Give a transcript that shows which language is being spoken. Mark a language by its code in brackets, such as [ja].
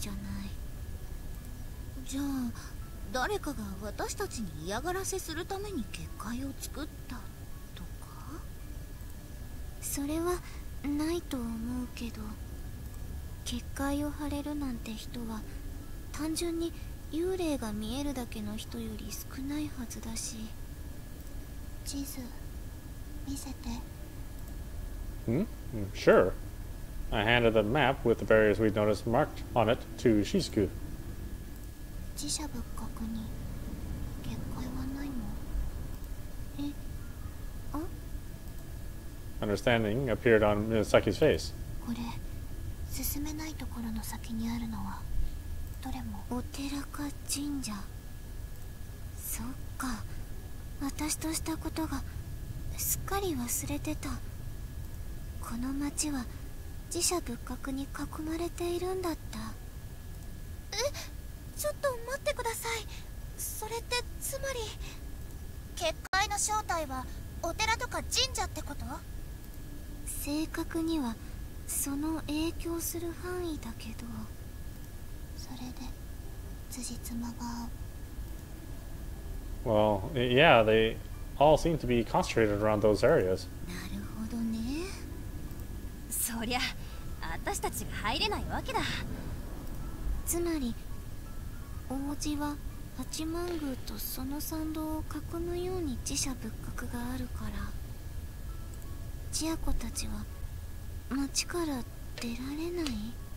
[ja] そういうことになります。家の前の結界、ファストマートのところ、それからプリーの周辺にあるものは、それぞれ独立した結界だと考えると納得がいく。結界ってのは、そんなにポンポンできるものなのかよ。何もないところに自然に発生するわけじゃない。じゃあ、 誰かが私たちに嫌がらせするために結界を作ったとか？それはないと思うけど、結界を張れるなんて人は単純に幽霊が見えるだけの人より少ないはずだし。地図見せて。 [en] I handed the map with the various we'd noticed marked on it to Shizuku. [ja] 自社仏閣に結界はないの？え？あ？ [en] Understanding appeared on Miyazaki's face. [ja] これ、進めないところの先にあるのはどれもお寺か神社。そっか、私としたことがすっかり忘れてた。この町は寺社仏閣に囲まれているんだった。え、ちょっと待ってください。それってつまり結界の正体はお寺とか神社ってこと？正確にはその影響する範囲だけど。それで辻褄が合う。 [en] Well, yeah, they all seem to be concentrated around those areas. [ja] なるほどね。そりゃ、私たちが入れないわけだ。つまり、王子は八幡宮とその参道を囲むように寺社仏閣があるから、千夜子たちは町から出られない？